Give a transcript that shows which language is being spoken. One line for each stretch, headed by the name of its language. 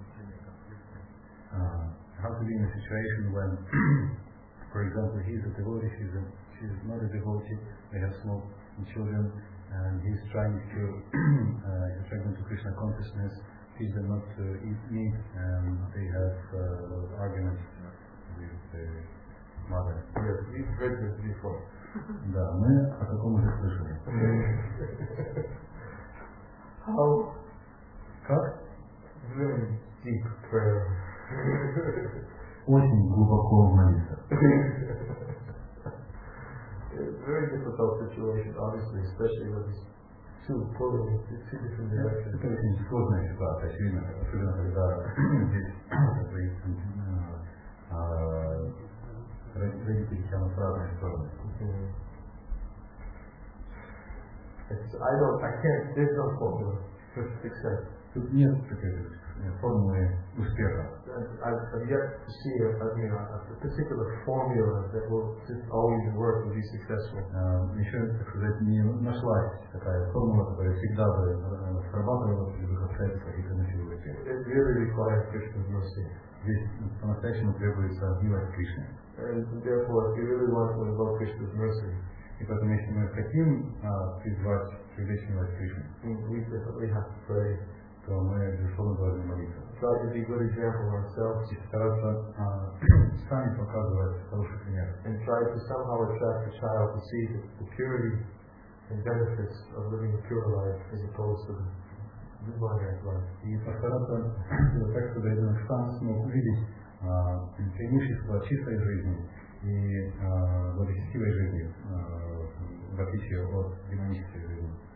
English: How to be in a situation when, for example, he's a devotee, she's not a devotee, they have small children, and he's trying to attract them to Krishna consciousness, teach them not to eat meat, and they have arguments with the mother. Yes, we've heard this before.
Russian: Да, мы о таком уже слышали.
English: How?
Russian: Как?
English: Very deep prayer.
Russian: Очень глубоко молиться.
English: Very difficult situation, obviously, especially with two pulling in two different directions.
Russian: Это очень сложная ситуация, очевидно, особенно когда здесь родители тянут в разные стороны.
English: I can't. There's no formula for success.
Russian: Тут нет такой формулы успеха.
English: I've yet to see a particular formula that will just always work and be successful.
Russian: Еще, так сказать, не нашлась такая формула, которая всегда бы срабатывала или выходила из каких-то
English: It really requires Krishna's mercy.
Russian: Здесь по-настоящему требуется милость Кришны.
English: And therefore, if you really want to invoke Krishna's mercy.
Russian: И поэтому, если мы хотим призвать привлечение Кришны, то мы, безусловно, должны молиться.
English: Try to be good example ourselves.
Russian: И стараться сами показывать хороший пример.
English: And try to somehow attract the child to see the purity and benefits of living a pure life as opposed to the demoniac life.
Russian: И постараться, так сказать, на шанс смог увидеть преимущество чистой жизни. И благочестивой жизни, в отличие от демонической жизни.